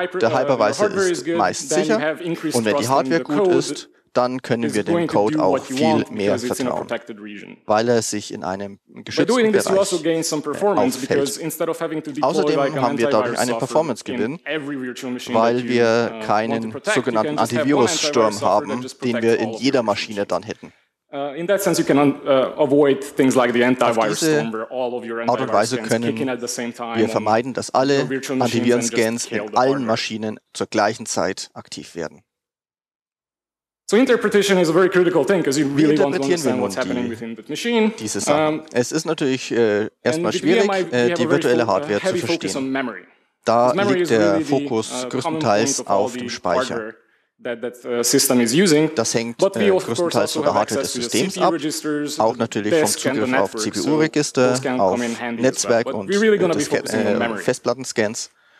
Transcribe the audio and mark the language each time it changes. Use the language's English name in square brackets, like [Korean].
[German] Der Hypervisor ist meist sicher und wenn die Hardware gut ist, dann können wir dem Code auch viel mehr vertrauen, weil er sich in einem geschützten Bereich aufhält. Außerdem haben wir dadurch einen Performance-Gewinn, weil wir keinen sogenannten Antivirus-Sturm haben, den wir in jeder Maschine dann hätten. [English] In that sense, you can avoid things like the antivirus storm, where all of your antivirus scans kicking at the same time. [German] Wir vermeiden, dass alle Antivirenscans in allen Maschinen zur gleichen Zeit aktiv werden. [English] So interpretation is a very critical thing, because you really want to understand what's happening within the machine. [German] Diese Sache. Es ist natürlich erstmal schwierig, die virtuelle Hardware zu verstehen. Da liegt der Fokus größtenteils auf dem Speicher. Das hängt größtenteils von der Hardware des Systems ab, auch natürlich vom Zugriff auf CPU-Register, auf Netzwerk und Festplattenscans.